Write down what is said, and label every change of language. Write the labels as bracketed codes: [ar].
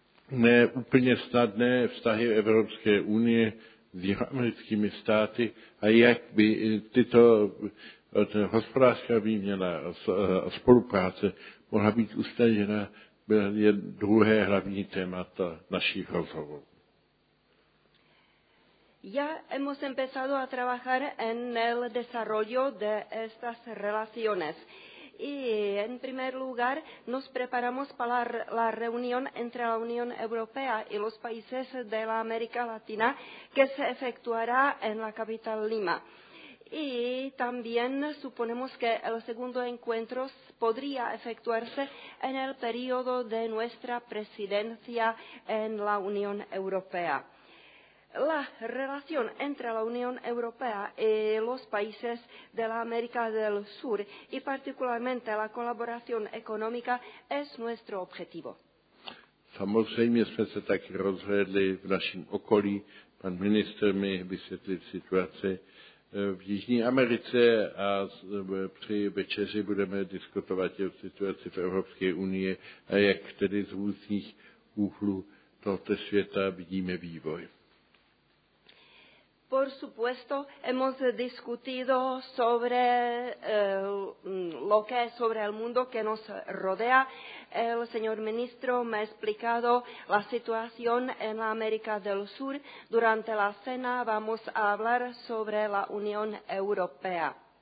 [cs] Ne úplně snadné vztahy Evropské unie s jihoamerickými státy a jak by tyto hospodářská výměna a spolupráce mohla být usnadněna, je druhé hlavní témata našich rozhovorů. [es] Ya hemos empezado a trabajar en el desarrollo de estas relaciones. Y en primer lugar nos preparamos para la reunión entre la Unión Europea y los países de la América Latina que se efectuará en la capital Lima. Y también suponemos que el segundo encuentro podría efectuarse en el periodo de nuestra presidencia en la Unión Europea. La relación entre la Unión Europea y los países de la América del Sur, y particularmente la colaboración económica, es nuestro objetivo. [cs] Samozřejmě jsme se taky rozhledli v našem okolí. Pan ministr mi vysvětlil situaci v Jižní Americe a při večeři budeme diskutovat o situaci v Evropské unii a jak tedy z různých úhlů tohoto světa vidíme vývoj. [es] Por supuesto, hemos discutido sobre lo que es sobre el mundo que nos rodea. El señor ministro me ha explicado la situación en la América del Sur. Durante la cena vamos a hablar sobre la Unión Europea.